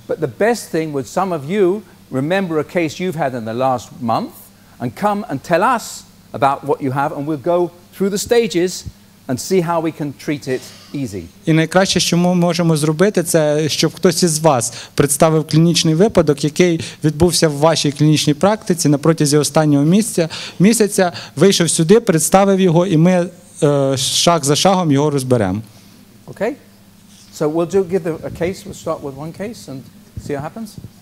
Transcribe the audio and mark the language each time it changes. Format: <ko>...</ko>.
<en>But the best thing would some of you remember a case you've had in the last month and come and tell us about what you have and we'll go through the stages and see how we can treat it easy.</en> <uk>І найкраще, що ми можемо зробити, це щоб хтось із вас представив клінічний випадок, який відбувся в вашій клінічній практиці на протязі останнього місяця, вийшов сюди, представив його, і ми шаг за шагом його розберемо.</uk> <en>Okay? So we'll do give a case, we'll start with one case and see what happens.</en>